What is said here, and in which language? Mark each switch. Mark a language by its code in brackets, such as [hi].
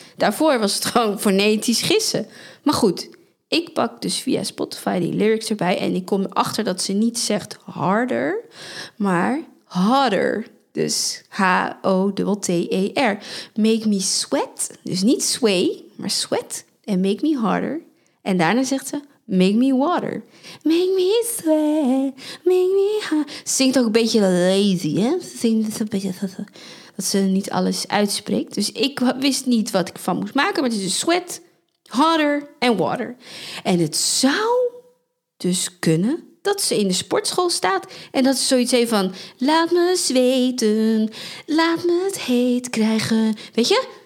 [nl] Daarvoor was het gewoon fonetisch gissen. Maar goed. Ik pak dus via Spotify die lyrics erbij en ik kom erachter dat ze niet zegt harder, maar hotter. Dus H-O-T-T-E-R. [en] Make me sweat, [nl] dus niet sway, maar sweat. En [en] make me harder. [nl] En daarna zegt ze [en] make me water. Make me sweat, make me hard. [nl] Zingt ook een beetje lazy, hè? Zingt een beetje dat ze niet alles uitspreekt. Dus ik wist niet wat ik van moest maken, maar het is dus sweat. Harder en water. En het zou dus kunnen dat ze in de sportschool staat en dat ze zoiets heeft van laat me zweten, laat me het heet krijgen. Weet je?